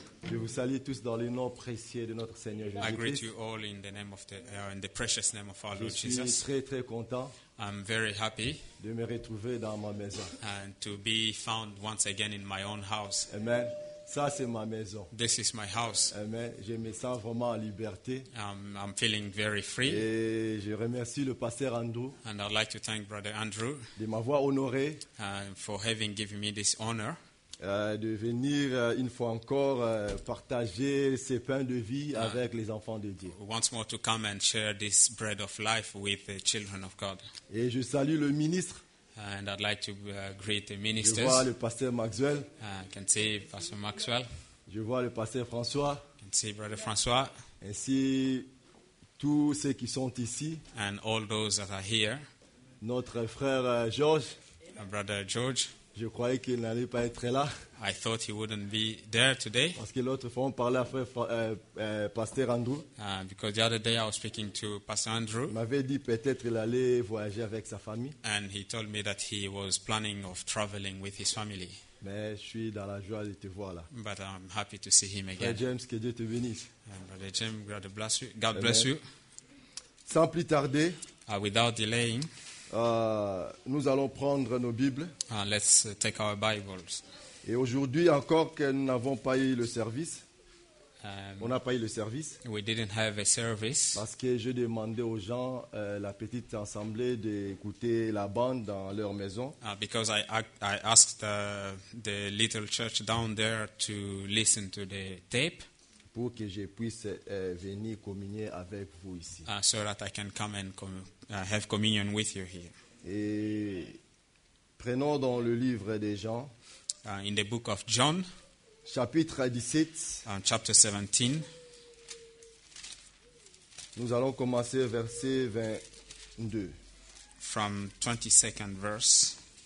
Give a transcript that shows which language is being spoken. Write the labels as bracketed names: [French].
[French] Je vous salue tous dans le nom précieux de notre Seigneur Jésus-Christ. [English] I greet you all in the name of the precious name of our Lord Jesus. [French] Je suis très très content. [English] I'm very happy [French] de me retrouver dans ma maison. [English] And to be found once again in my own house. [French] Amen. Ça c'est ma maison. [English] This is my house. Amen. [French] Je me sens vraiment en liberté. [English] I'm feeling very free. [French] Et je remercie le pasteur Andrew. [English] And I'd like to thank Brother Andrew [French] de m'avoir honoré. [English] For having given me this honor. [French] De venir une fois encore partager ces pains de vie avec les enfants de Dieu. [English] Once more to come and share this bread of life with the children of God. [French] Et je salue le ministre. [English] And I'd like to greet the ministers. [French] Je vois le pasteur Maxwell. [English] I can see Pastor Maxwell. [French] Je vois le pasteur François. [English] I can see Brother François. [French] Ainsi tous ceux qui sont ici. [English] And all those that are here. [French] Notre frère George. [English] And Brother George. [French] Je croyais qu'il n'allait pas être là. [English] I thought he wouldn't be there today. [French] Parce que l'autre fois on parlait à frère pasteur Andrew. [English] Because the other day I was speaking to Pastor Andrew. [French] Il m'avait dit peut-être il allait voyager avec sa famille. [English] And he told me that he was planning of traveling with his family. [French] Mais je suis dans la joie de te voir là. [English] But I'm happy to see him again. [French] Frère James, que Dieu te bénisse. [English] And Brother James, God bless you. God bless you. [French] Sans plus tarder. [English] Without delaying. [French] Nous allons prendre nos Bibles. [English] Let's take our Bibles. [French] Et aujourd'hui encore que nous n'avons pas eu le service. On n'a pas eu le service. [English] We didn't have a service. [French] Parce que j'ai demandé aux gens, la petite assemblée, d'écouter la bande dans leur maison. [English] Because I asked the little church down there to listen to the tape. [French] Pour que je puisse venir communier avec vous ici. [English] So that I can come and have communion with you here. [French] Et prenons dans le livre de Jean. [English] In the book of John. [French] Chapitre 17. [English] Chapter 17. [French] Nous allons commencer verset 22. [English] From 22nd verse.